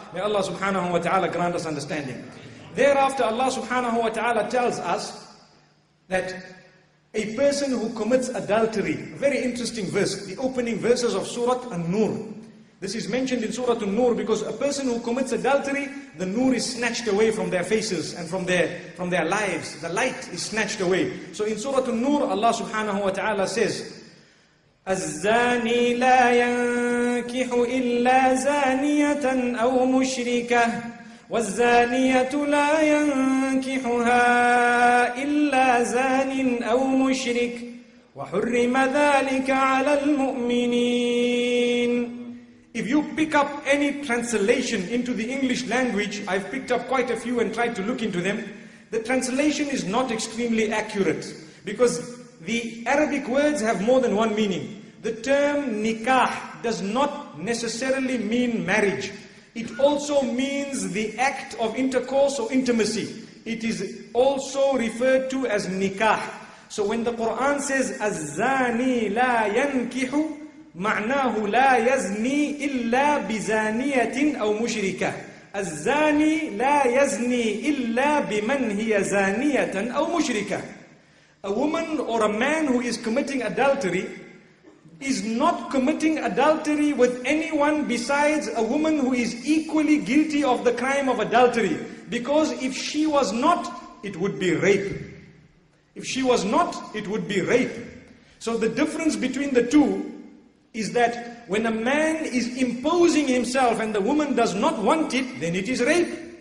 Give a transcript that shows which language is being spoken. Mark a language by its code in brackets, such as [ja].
[en] May Allah subhanahu wa ta'ala grant us understanding. Thereafter, Allah subhanahu wa ta'ala tells us that a person who commits adultery, a very interesting verse, the opening verses of Surah An-Nur. This is mentioned in Surah An-Nur because a person who commits adultery, the nur is snatched away from their faces and from their lives. The light is snatched away. So in Surah An-Nur, Allah subhanahu wa ta'ala says, [ar] الزاني لا ينكح إلا زانية أو مشركة والزانية لا ينكحها إلا زان أو مشرك وحرم ذلك على المؤمنين. [en] If you pick up any translation into the English language, I've picked up quite a few and tried to look into them, the translation is not extremely accurate, because the Arabic words have more than one meaning. The term nikah does not necessarily mean marriage. It also means the act of intercourse or intimacy. It is also referred to as nikah. So when the Quran says, [ar] الزاني لا ينكح, معناه لا يزني إلا بزانية أو مشركة. الزاني لا يزني إلا بمن هي زانية أو مشركة. [en] A woman or a man who is committing adultery is not committing adultery with anyone besides a woman who is equally guilty of the crime of adultery. Because if she was not, it would be rape. If she was not, it would be rape. So the difference between the two is that when a man is imposing himself and the woman does not want it, then it is rape.